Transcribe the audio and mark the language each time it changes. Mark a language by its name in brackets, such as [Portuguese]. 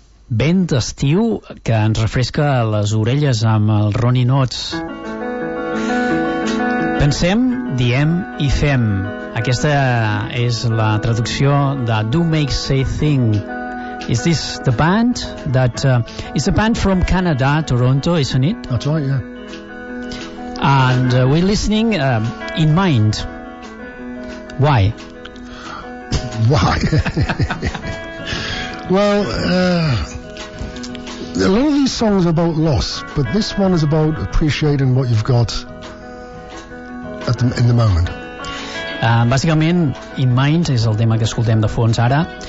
[Catalan] Vent d'estiu que ens refresca les orelles amb el Ronnie Notes. Pensem, diem i fem. Aquesta és la traducció de Do Make Say Thing. [English] Is this the band that... is the band from Canada, Toronto, isn't it? That's right, yeah. And we're listening in mind. Why? Why? Well, a lot of these songs are about loss, but this one is about appreciating what you've got at the, in the moment. [Catalan] Bàsicament, In Mind és el tema que escoltem de fons ara.